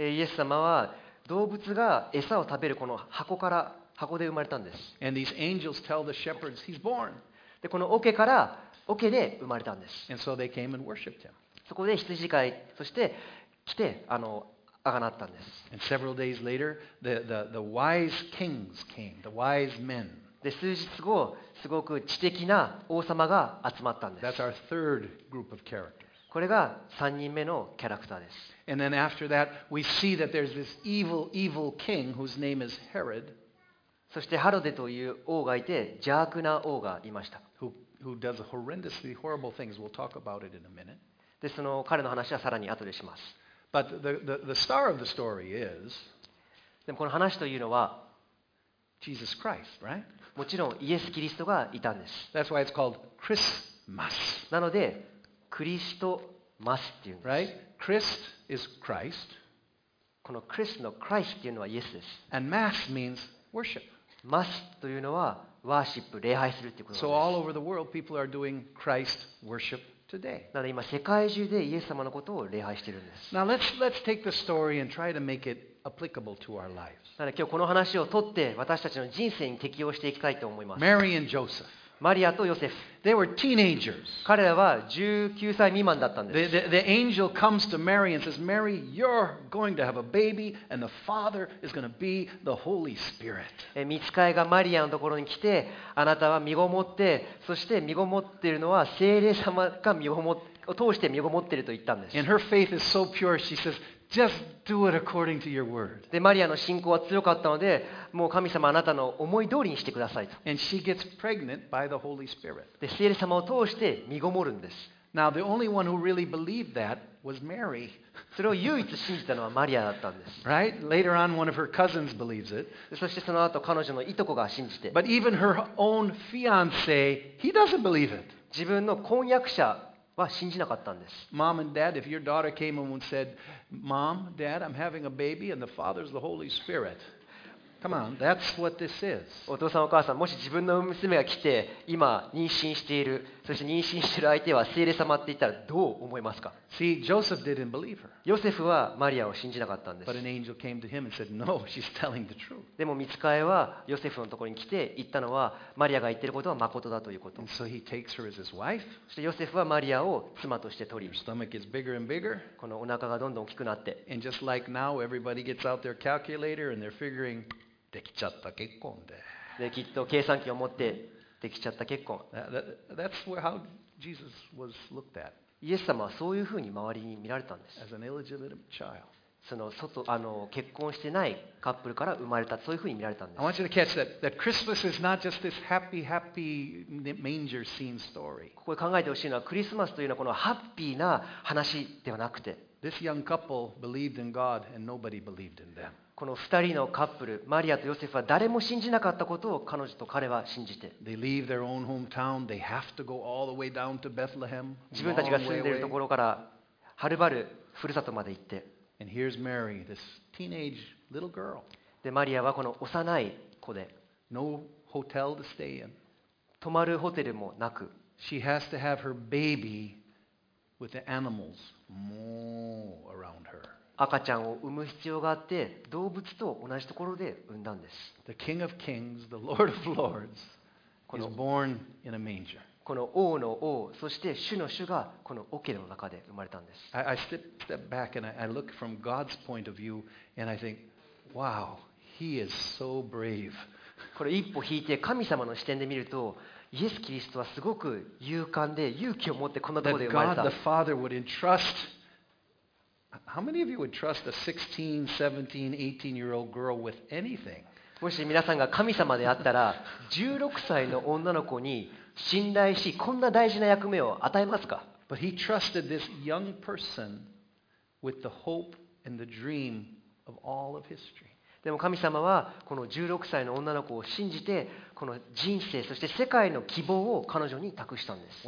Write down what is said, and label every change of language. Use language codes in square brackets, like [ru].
[ja] イエス様は動物が餌を食べるこの箱から箱で生まれたんです。 [en] And these angels tell the shepherds he's born. [ja] でこの桶から桶で生まれたんです。 [en] And so they came and worshipped him. [ja] そこで羊飼いそして来てあがなったんです。 [en] And several days later, the wise kings came, the wise men. [ja] で、数日後、すごく知的な王様が集まったんです。 [en] That's our third group of characters. [ja] これが3人目のキャラクターです。 [en] And then after that, we see that there's this evil, evil king whose name is Herod. [ja] そしてハロデという王がいて、邪悪な王がいました。 [en] Who does horrendously horrible things. We'll talk about it in a minute. [ja] で、その彼の話はさらに後でします。 [en] But the star of the story is. [ja] でもこの話というのは、 [en] Jesus Christ, right? [ja] もちろんイエス・キリストがいたんです。 [en] That's why it's called Christmas. [ja] なのでクリストマスっていうんです。 [en] Right? Christ is Christ. [ja] このクリストのクライスっていうのはイエスです。 [en] And Mass means worship. [ja] マスというのはワーシップ、礼拝するということです。 [en] So all over the world, people are doing Christ worship. [ja] なので今世界中でイエス様のことを礼拝しているんです。 [en] Now let's take the story and try to make it applicable to our lives. [ja] なので今日この話を取って私たちの人生に適用していきたいと思います。 [en] Mary and Joseph. [ja] マリアとヨセフ。 [en] They were teenagers. [ja] 彼らは19歳未満だったんです。 [en] The angel comes to Mary and says, Mary, you're going to have a baby, and the father is going to be the Holy Spirit. [ja] 御使いがマリアのところに来て、あなたは身ごもって、そして身ごもっているのは聖霊様が身ごもを通して身ごもっていると言ったんです。 [en] And her faith is so pure, she says. Just do it according to your word. [ja] で、マリアの信仰は強かったので、もう神様あなたの思い通りにしてくださいと。 [en] And she gets pregnant by the Holy Spirit. [ja] で、聖霊様を通して身ごもるんです。 [en] Now the only one who really believed that was Mary. [ja] それを唯一信じたのはマリアだったんです。 [en] Right? Later on, one of her cousins believes it. [ja] そしてその後彼女のいとこが信じて。 [en] But even her own fiance, he doesn't believe it. [ja] 自分の婚約者は信じなかったんです。 [en] Mom and Dad, if your daughter came home and said, "Mom, Dad, I'm having a baby, and the Father's the Holy Spirit," come on, that's what this is. [ja] お父さんお母さん、もし自分の娘が来て、今妊娠している、そして妊娠している相手は聖霊様って言ったらどう思いますか？ [en] See, Joseph didn't believe her. [ja] ヨセフはマリアを信じなかったんです。 [en] But an angel came to him and said, "No, she's telling the truth." [ja] でも御使いはヨセフのところに来て言ったのはマリアが言っていることは誠だということ。 [en] So he takes her as his wife. [ja] そしてヨセフはマリアを妻として取り。 [en] Her stomach gets bigger and bigger. [ja] このお腹がどんどん大きくなって。 [en] And just like now, everybody gets out their calculator and they're figuring. [ja] できちゃった結婚できっと計算機を持ってできちゃった結婚 [en] That's where how Jesus was looked at. [ja] イエス様はそういうふうに周りに見られたんです [en] As an illegitimate child. [ja] その外結婚してないカップルから生まれたそういうふうに見られたんです [en] I want you to catch that Christmas is not just this happy, happy manger scene story. [ja] ここで考えてほしいのはクリスマスというのはこのハッピーな話ではなくて [en] This young couple believed in God and nobody believed in them [ja] この二人のカップル、マリアとヨセフは誰も信じなかったことを彼女と彼は信じて。 [en] They leave their own hometown. They have to go all the way down to Bethlehem. [ja] 自分たちが住んでいるところからはるばるふるさとまで行って。 [en] And here's Mary, this teenage little girl. [ja] で、マリアはこの幼い子で。 [en] No hotel to stay in. [ja] 泊まるホテルもなく。 [en] She has to have her baby with the animals moo around her. [ja] 赤ちゃんを産む必要があって、動物と同じところで産んだんです。 [en] The King of Kings, the Lord of Lords, is born in a manger. [ja] この王の王、そして主の主がこの桶の中で生まれたんです。 [en] I step back and I look from God's point of view and I think, wow, he is so brave. [ja] これ一歩引いて神様の視点で見ると、イエス・キリストはすごく勇敢で勇気を持ってこんなところで生まれた。 [en] That God the Father would entrust How many of you would trust a 16, 17, 18 year old girl with anything? [ja] もし皆さんが神様であったら、16歳の女の子に信頼し、こんな大事な役目を与えますか? [en] But he trusted this young person with the hope and the dream of all of history. [ja] でも神様はこの16歳の女の子を信じて、この人生そして世界の希望を彼女に託したんです。